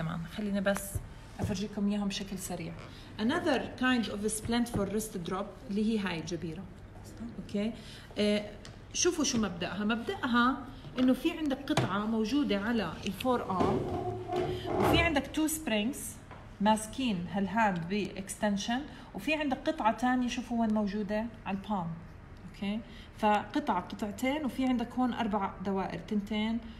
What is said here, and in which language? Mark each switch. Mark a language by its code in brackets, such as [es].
[ar] كمان خلينا بس أفرجيكم إياهم بشكل سريع. [en] another kind of a splint for wrist drop [ar] اللي هي هاي الجبيرة. [en] okay. [ar] شوفوا شو مبدأها. مبدأها إنه في عندك قطعة موجودة على the forearm وفي عندك two springs ماسكين هالhand ب extension وفي عندك قطعة تانية شوفوا وين موجودة على the palm. [en] okay. [ar] فقطعة قطعتين وفي عندك هون أربع دوائر تنتين.